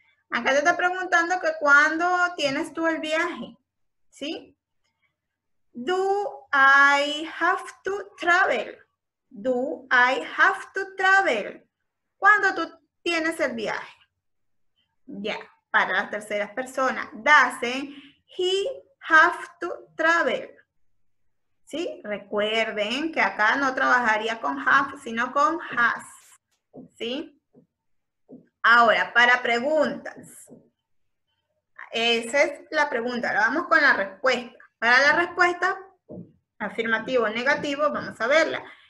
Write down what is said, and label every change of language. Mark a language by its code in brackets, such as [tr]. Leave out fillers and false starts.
[es] Acá te está preguntando que cuándo tienes tú el viaje. ¿Sí? [en] Do I have to travel? Do I have to travel? [es] ¿Cuándo tú tienes el viaje? Ya, [en] yeah. [es] Para las terceras personas. [en] Doesn't he have to travel? [es] ¿Sí? Recuerden que acá no trabajaría con have, sino con has. ¿Sí? Ahora, para preguntas. Esa es la pregunta. Ahora vamos con la respuesta. Para la respuesta, afirmativo o negativo, vamos a verla.